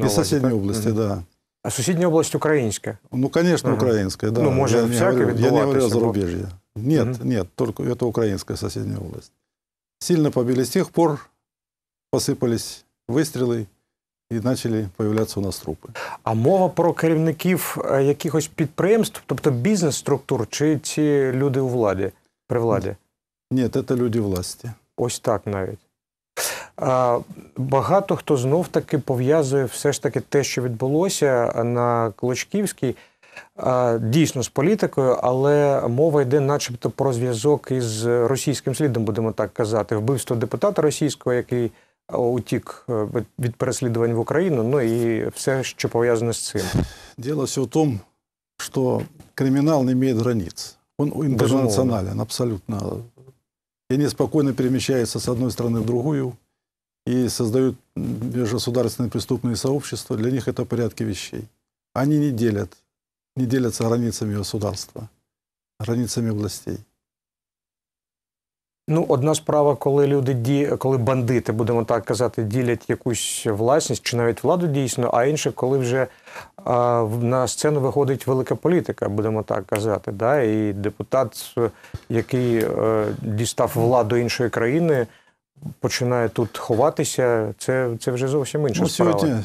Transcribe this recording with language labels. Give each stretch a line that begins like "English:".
Russian: увазе? И соседней области, да. А соседняя область украинская? Ну, конечно, украинская, да. Ну, может, всякое говорю, я не говорю о зарубежье. Нет, нет, только это украинская соседняя область. Сильно побили. С тех пор посыпались выстрелы и начали появляться у нас трупы.
Ukrainian: А мова про керівників якихось підприємств, тобто бізнес-структур, чи ці люди у владі, при владі?
Russian: Нет, это люди власти.
Ukrainian: Ось так навіть. Багато хто знов-таки пов'язує все ж таки те, що відбулося на Клочківській, дійсно з політикою, але мова йде начебто про зв'язок із російським слідом, будемо так казати. Вбивство депутата російського, який утік від переслідувань в Україну, ну і все, що пов'язане з цим. Діло все в тому, що кримінал не має границь. Він інтернаціональний, абсолютно. І не спокійно переміщається з однієї сторони в другу.
Russian: И создают межгосударственные преступные сообщества, для них это порядки вещей. Они не делят, не делятся границами государства, границами властей.
Ukrainian: Ну, одна справа, коли люди, коли бандити, будемо так казати, ділять якусь власність, чи навіть владу дійсно, а інше, коли вже на сцену виходить велика політика, будемо так казати, да? І депутат, який дістав владу іншої країни, починає тут ховатися, це вже зовсім інша справа.